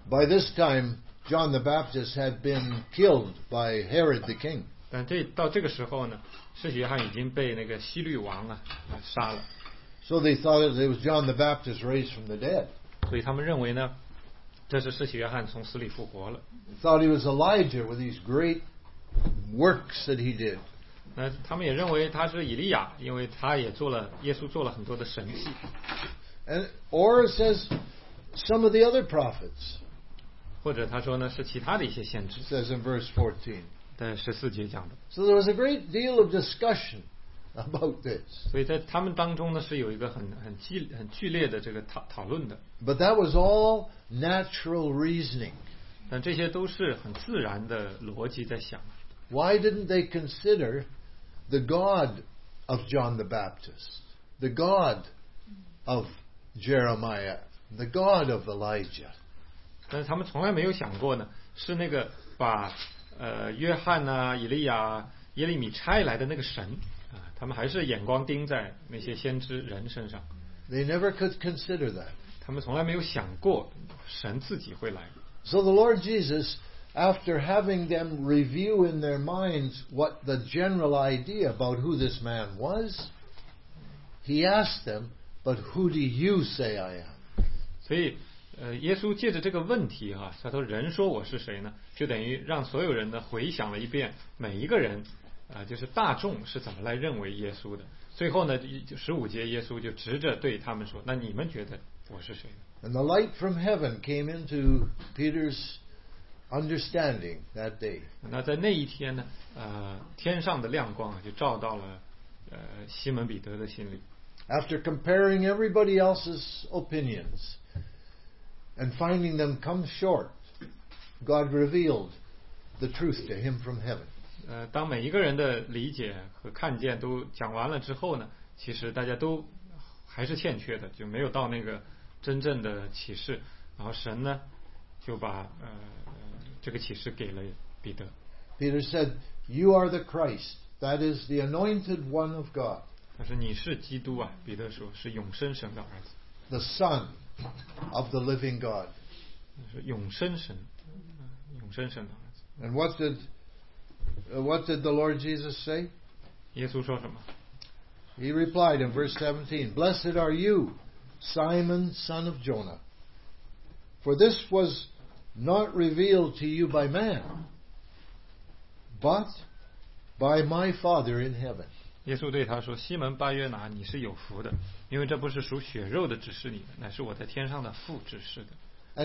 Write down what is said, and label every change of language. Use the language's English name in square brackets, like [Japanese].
[English] By this time, John the Baptist had been killed by Herod the king. [Chinese] 但到这个时候呢，施洗约翰已经被那个希律王啊杀了。 [English] So they thought it was John the Baptist raised from the dead. [Chinese] 所以他们认为呢，这是施洗约翰从死里复活了。 [English] Thought he was Elijah with these great works that he did. [Chinese] 那他们也认为他是以利亚，因为他也做了耶稣做了很多的神迹。 [English] And or says some of the other prophets. [Chinese] 或者他说呢是其他的一些先知。 [English] Says in verse 14. [Chinese] 在十四节讲的。 [English] So there was a great deal of discussion. About this. [Chinese] 所以在他们当中呢，是有一个很剧烈的这个讨论的。 [English] But that was all natural reasoning. [Chinese] 但这些都是很自然的逻辑在想。 [English] Why didn't they consider the God of John the Baptist, the God of Jeremiah, the God of Elijah? [Chinese] 但是他们从来没有想过呢，是那个把约翰啊、以利亚、耶利米差来的那个神。他们还是眼光盯在那些先知人身上。 [English] They never could consider that. [Chinese] 他们从来没有想过神自己会来。 [English] So the Lord Jesus, after having them review in their minds what the general idea about who this man was, he asked them, "But who do you say I am?" [Chinese] 所以，耶稣借着这个问题哈，他说：“人说我是谁呢？” 就等于让所有人呢回想了一遍，每一个人。就是大众是怎么来认为耶稣的？最后呢，十五节耶稣就直着对他们说：“那你们觉得我是谁呢？” [English] And the light from heaven came into Peter's understanding that day. [Chinese] 那在那一天呢，天上的亮光就照到了西门彼得的心里。 [English] After comparing everybody else's opinions and finding them come short, God revealed the truth to him from heaven. [Chinese] 当每一个人的理解和看见都讲完了之后呢，其实大家都还是欠缺的，就没有到那个真正的启示。然后神呢，就把这个启示给了彼得。 [English] Peter said, "You are the Christ, that is the Anointed One of God." [Chinese] 他说你是基督啊，彼得说是永生神的儿子。 [English] The Son of the Living God. [Chinese] 是永生神，永生神的儿子。 [English] And what did What did the Lord Jesus say? [Chinese] 耶稣说什么? [English] He replied in verse 17, "Blessed are you, Simon, son of Jonah, for this was not revealed to you by man, but by my Father in heaven." [Chinese] 耶稣对他说，西门巴约拿，你是有福的，因为这不是属血肉的指示你的，乃是我在天上的父指示的。